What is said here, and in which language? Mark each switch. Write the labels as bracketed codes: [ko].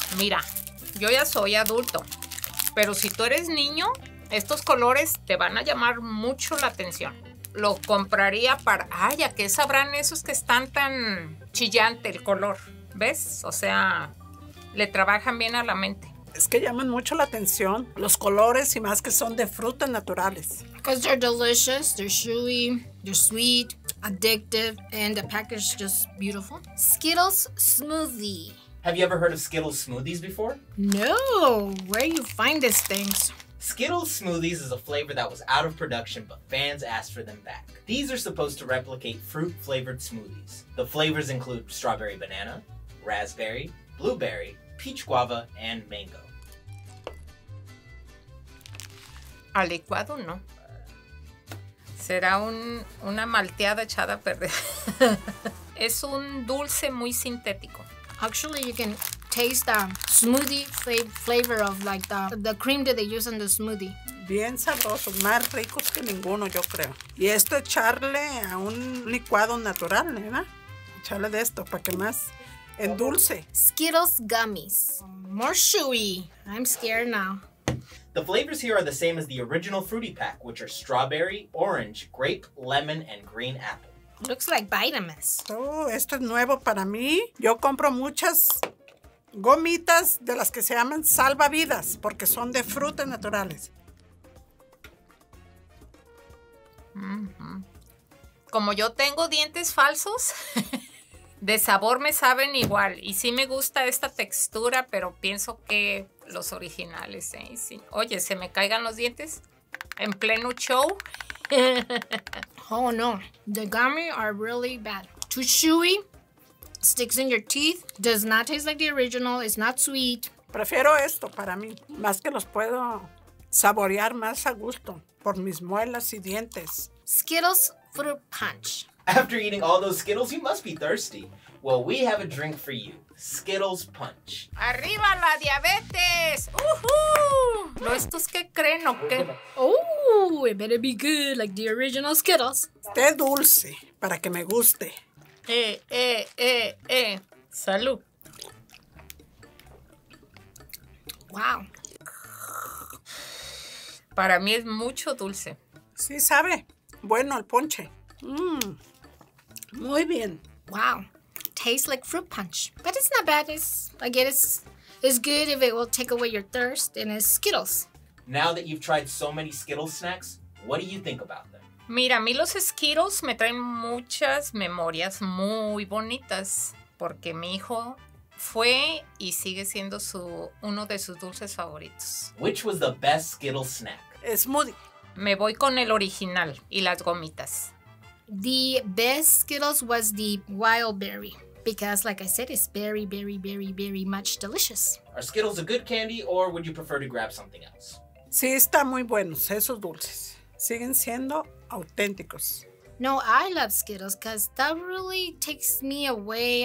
[es] Mira, yo ya soy adulto, pero si tú eres niño, estos colores te van a llamar mucho la atención. Lo compraría para... Ay, ¿a qué sabrán esos que están tan chillante el color? ¿Ves? O sea, le trabajan bien a la mente. Es que llaman mucho la atención los colores y más que son de frutas naturales. [en] Because they're delicious, they're chewy, they're sweet, addictive, and the package is just beautiful. Skittles Smoothie. Have you ever heard of Skittles Smoothies before? No, where you find these things? Skittles Smoothies is a flavor that was out of production, but fans asked for them back. These are supposed to replicate fruit-flavored smoothies. The flavors include strawberry banana, raspberry, blueberry, peach guava, and mango. [es] ¿Al licuado no? Será una malteada echada a perder. Es un dulce muy sintético. [en] Actually, you can taste the smoothie flavor of like the cream that they use in the smoothie. [es] Bien sabrosos, más ricos que ninguno, yo creo. Y esto echarle a un licuado natural, ¿verdad? Echarle de esto para que más endulce. [en] Skittles gummies. More chewy. I'm scared now. The flavors here are the same as the original fruity pack, which are strawberry, orange, grape, lemon, and green apple. Looks like vitamins. [es] Oh, esto es nuevo para mí. Yo compro muchas gomitas de las que se llaman salvavidas porque son de frutas naturales. Mm-hmm. como yo tengo dientes falsos, de sabor me saben igual. Y sí me gusta esta textura, pero pienso que los originales, ¿eh? Sí. Oye, se me caigan los dientes en pleno show. [en] Oh, no. The gummy are really bad. Too chewy. Sticks in your teeth. Does not taste like the original. It's not sweet. [es] Prefiero esto para mí. Más que los puedo saborear más a gusto por mis muelas y dientes. [en] Skittles fruit punch. After eating all those Skittles, you must be thirsty. Well, we have a drink for you. Skittles punch. [es] Arriba la diabetes. Woohoo! ¿No estos que creen o qué? [en] Oh, it better be good like the original Skittles. [es] Esté dulce para que me guste. Salud. [en] Wow. [es] Para mí es mucho dulce. Sí, sabe. Bueno, el ponche. Muy bien. [en] Wow. Tastes like fruit punch. But it's not bad. It's good if it will take away your thirst, and it's Skittles. Now that you've tried so many Skittles snacks, what do you think about them? [es] Mira, a mí los Skittles me traen muchas memorias muy bonitas porque mi hijo fue y sigue siendo uno de sus dulces favoritos. [en] Which was the best Skittle snack? Smoothie. [es] Me voy con el original y las gomitas. [en] The best Skittles was the wild berry because, like I said, it's very, very, very, very much delicious. Are Skittles a good candy or would you prefer to grab something else? [es] Sí, están muy buenos esos dulces. Siguen siendo auténticos. [en] No, I love Skittles because that really takes me away.